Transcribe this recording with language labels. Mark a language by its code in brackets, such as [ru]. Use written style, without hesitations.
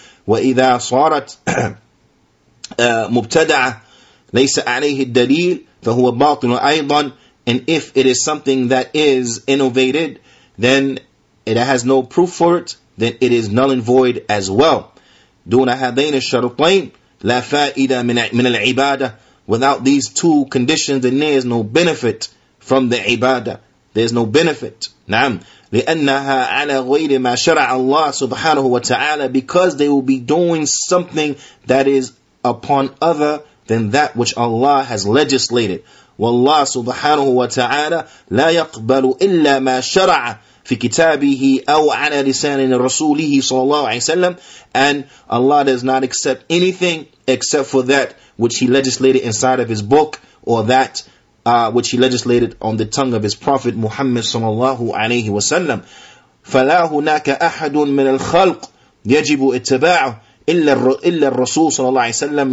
[ar] وَإِذَا صَارَتْ مُبْتَدَعَ لَيْسَ عَلَيْهِ الدَّلِيلِ فَهُوَ بَاطِلٌ أَيْضًا. [en] And if it is something that is innovated, then it has no proof for it, then it is null and void as well. [ar] دون هذين الشرطين لا فائدة من العبادة. [en] Without these two conditions, then there is no benefit from the ibadah. There is no benefit. [ar] نعم. لأنها على غير ما شرع الله سبحانه وتعالى. [en] Because they will be doing something that is upon other than that which Allah has legislated. [ar] والله سبحانه وتعالى لا يقبل إلا ما شرع في كتابه أو على لسان رسوله صلى الله عليه وسلم. [en] And Allah does not accept anything except for that which he legislated inside of his book, or that which he legislated on the tongue of his prophet Muhammad sallallahu alayhi wa sallam. [ar] فَلَا هُنَاكَ أَحَدٌ مِنَ الْخَلْقِ يَجِبُ اتَّبَاعُ إِلَّا الرَّسُولُ صلى الله عليه وسلم.